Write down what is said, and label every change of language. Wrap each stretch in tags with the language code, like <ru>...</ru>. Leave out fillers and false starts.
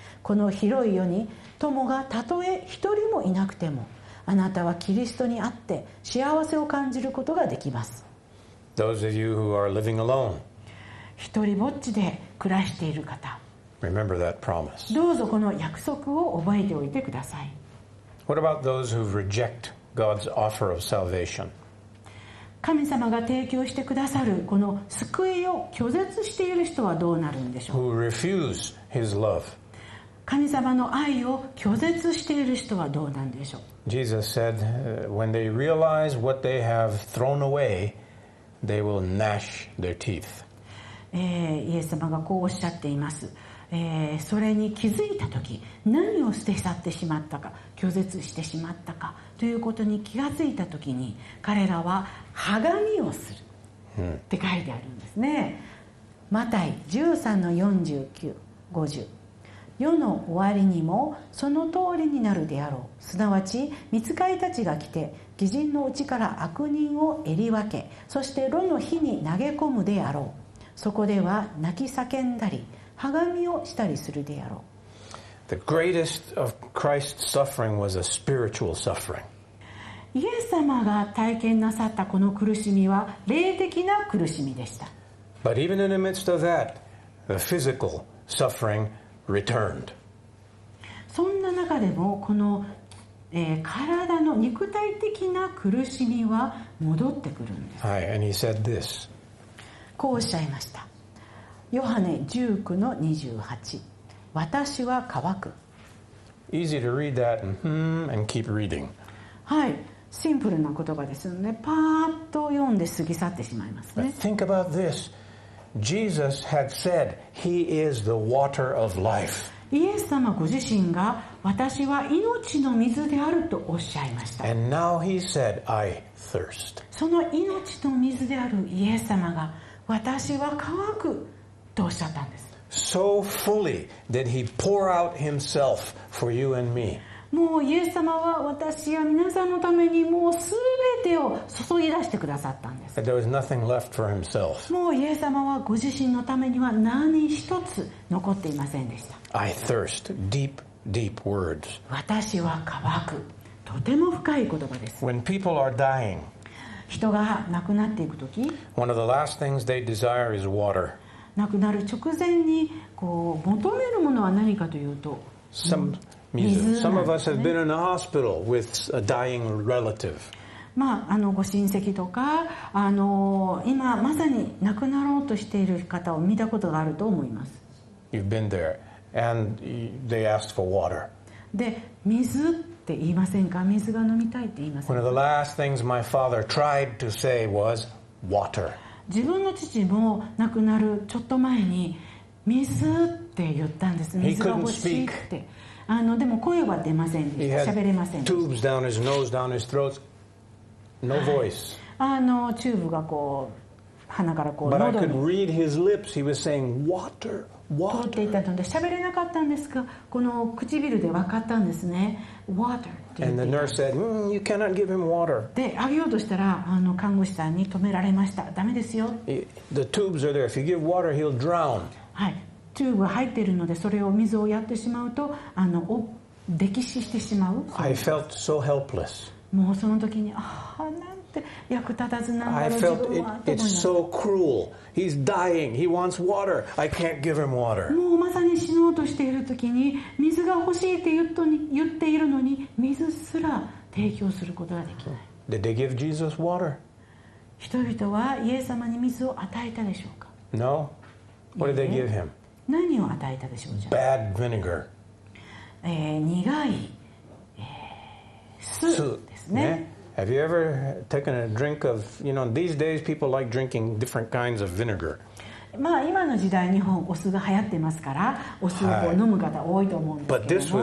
<ja>この広い世に友がたとえ一人もいなくても、あなたはキリストにあって幸せを感じることができます。</ja> <en>Those of you who are living alone.</en> <ja>一人ぼっちで暮らしている方、</ja> <en>Remember that promise.</en> <ja>どうぞこの約束を覚えておいてください。</ja> <en>What about those who reject God's offer of salvation?</en> <ja>神様が提供してくださるこの救いを拒絶している人はどうなるんでしょう。</ja> <en>Who refuse his love.</en> <ja>神様の愛を拒絶している人はどうなんでしょう。</ja> <en>Jesus said, when they realize what they have thrown away, they will gnash their teeth.</en> <ja>イエス様がこうおっしゃっています。それに気づいたとき、何を捨て去ってしまったか、拒絶してしまったかということに気がついたときに、彼らは鋼をするって書いてあるんですね。マタイ 13-49-50、 世の終わりにもその通りになるであろう。すなわち御使いたちが来て義人のうちから悪人をえり分け、そして炉の火に投げ込むであろう。そこでは泣き叫んだり鋼をしたりするであろう。</ja> <en>The greatest of Christ's suffering was a spiritual suffering.</en> <ja>イエス様が体験なさったこの苦しみは霊的な苦しみでした。</ja> <en>But even in the midst of that, the physical suffering returned.</en> <ja>そんな中でもこの、体の肉体的な苦しみは戻ってくるんです。</ja> <en>Hi, and he said this.</en> <ja>こうおっしゃいました。ヨハネ 19-28、 私は乾く。</ja> <en>Easy to read that and keep reading.</en> <ja>はい、シンプルな言葉ですので、ね、パーッと読んで過ぎ去ってしまいますね。</ja> <en>But think about this. Jesus had said, He is the water of life.</en> <ja>イエス様ご自身が私は命の水であるとおっしゃいました。</ja> <en>And now he said, I thirst.</en> <ja>その命の水であるイエス様が私は乾くとおっしゃったんです。</ja> <en>So fully did he pour out himself for you and me.</en> <ja>もうイエス様は私や皆さんのためにもうすべてを注ぎ出してくださったんです。</ja> <en>There was nothing left for himself.</en> <ja>もうイエス様はご自身のためには何一つ残っていませんでした。</ja> <en>I thirst, deep, deep words.</en> <ja>私は渇く、とても深い言葉です。</ja> <en>When people are dying,</en> <ja>人が亡くなっていくとき、</ja> <en>One of the last things they desire is water.</en> <ja>亡くなる直前にこう求めるものは何かというと、</ja> <en>Some of us have been in a hospital with a dying relative.</en> <ja>まあ、ご親戚とか、今まさに亡くなろうとしている方を見たことがあると思います。</ja> <en>You've been there, and they asked for water.</en> <ja>で、水って言いませんか？水が飲みたいって言いませんか？</ja> <en>One of the last things my father tried to say was water.</en> <ja>自分の父も亡くなるちょっと前に水って言ったんです。水が欲しいって。でも声は出ませんでした。喋れませんでした。</ja> <en>tubes down his nose, down his throat. No voice.</en> <ja>チューブがこう鼻からこう喉に。</ja> <en>But I could read his lips. He was saying water, water.</en> <ja>通っていたので喋れなかったんですが、この唇で分かったんですね。</ja> <en>Water. And the nurse said, you cannot give him water.</en> <ja>で、あげようとしたら、看護師さんに止められました。ダメですよ。</ja> <en>The tubes are there. If you give water, he'll drown.</en> <ja>はい。チューブが入っているので、それを水をやってしまうと、溺死してしまう。</ja> <en>I felt so helpless.</en> <ja>もうその時に、ああ、なんて役立たずなんだろう。</ja> <en>I felt it's so cruel. He's dying. He wants water. I can't give him water.</en> <ja>もうまさに死のうとしている時に、水が欲しいって言っているのに、水すら提供することができない。</ja> <en>Did they give Jesus water?</en> <ja>人々はイエス様に水を与えたでしょうか。</ja> <en>No. What did they give him?</en> <ja>何を与えたでしょうか。</ja> <en>Bad vinegar.</en> <ja>苦い、酢ですね。</ja> <en>Have you ever taken a drink of, you know, these days people like drinking different kinds of vinegar.</en> <ja>まあ今の時代日本お酢が流行ってますから、お酢を飲む方多いと思うんですけども。</ja>